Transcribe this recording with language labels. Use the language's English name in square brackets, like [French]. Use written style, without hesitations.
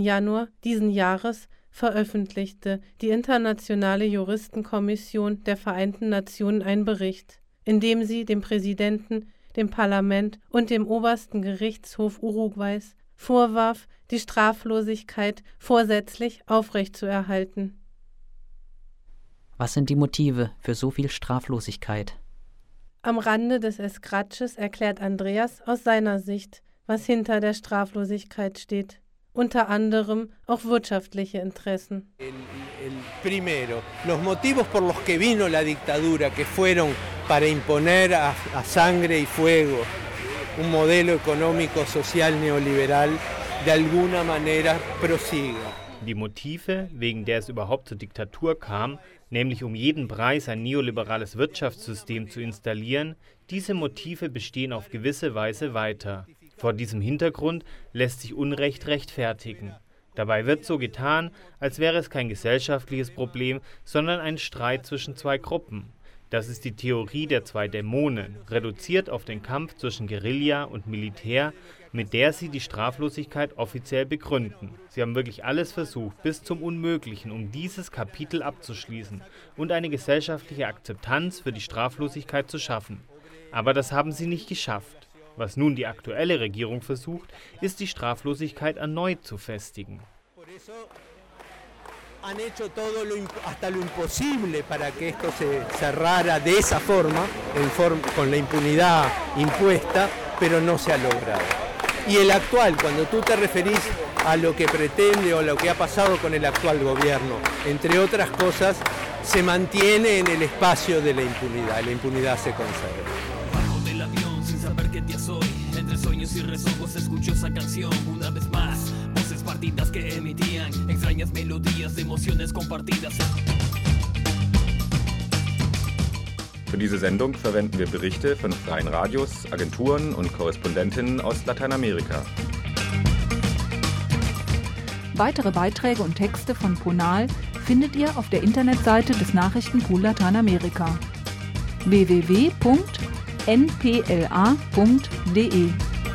[German] Januar diesen Jahres veröffentlichte die Internationale Juristenkommission der Vereinten Nationen einen Bericht, in dem sie dem Präsidenten, dem Parlament und dem Obersten Gerichtshof Uruguays vorwarf, die Straflosigkeit vorsätzlich aufrechtzuerhalten. Was sind die Motive für so viel Straflosigkeit? Am Rande des Escraches erklärt Andreas aus seiner Sicht, was hinter der Straflosigkeit steht. Unter anderem auch wirtschaftliche Interessen. [Spanish] Primero, los motivos por los que vino la dictadura, que fueron para imponer a sangre y fuego un modelo económico social neoliberal, de alguna manera prosiga. [German] Die Motive, wegen der es überhaupt zur Diktatur kam, nämlich um jeden Preis ein neoliberales Wirtschaftssystem zu installieren, diese Motive bestehen auf gewisse Weise weiter. Vor diesem Hintergrund lässt sich Unrecht rechtfertigen. Dabei wird so getan, als wäre es kein gesellschaftliches Problem, sondern ein Streit zwischen 2 Gruppen. Das ist die Theorie der 2 Dämonen, reduziert auf den Kampf zwischen Guerilla und Militär, mit der sie die Straflosigkeit offiziell begründen. Sie haben wirklich alles versucht, bis zum Unmöglichen, um dieses Kapitel abzuschließen und eine gesellschaftliche Akzeptanz für die Straflosigkeit zu schaffen. Aber das haben sie nicht geschafft. Was nun die aktuelle Regierung versucht, ist, die Straflosigkeit erneut zu festigen. [Spanish] Han hecho todo lo hasta lo imposible para que esto se cerrara de esa forma, con la impunidad impuesta, pero no se ha logrado. Y el actual, cuando tú te referís a lo que pretende o lo que ha pasado con el actual gobierno, entre otras cosas, se mantiene en el espacio de la impunidad se conserva. Bajo del avión sin saber qué día soy, entre sueños y rezongos escucho esa canción una vez más, voces para partidas que emitían extrañas melodías de emociones compartidas. [German] Für diese Sendung verwenden wir Berichte von freien Radios, Agenturen und Korrespondentinnen aus Lateinamerika. Weitere Beiträge und Texte von Ponal findet ihr auf der Internetseite des Nachrichtenpool Lateinamerika www.npla.de.